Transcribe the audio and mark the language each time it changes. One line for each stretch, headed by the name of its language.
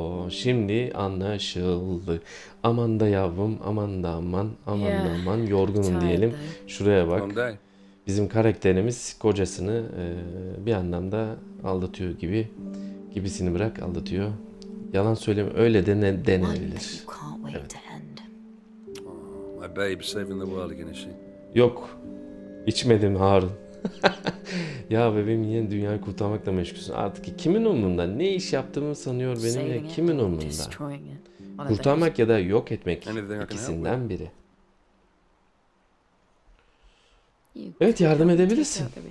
Turkish: Şimdi anlaşıldı. Aman da yavrum, aman da aman, aman da aman, yorgunum diyelim. Şuraya bak. Bizim karakterimiz kocasını bir anlamda aldatıyor gibi. Gibisini bırak, aldatıyor. Yalan söyleme, öyle de ne denebilir. Evet.
English: My babe saving the world again, is she?
Turkish: Yok. İçmedim Harun. Ya bebeğim yine dünyayı kurtarmakla meşgulsün. Artık kimin umurunda? Ne iş yaptığımı sanıyor benimle? Kimin umurunda? Kurtarmak ya da yok etmek ikisinden biri. Evet, yardım edebilirsin.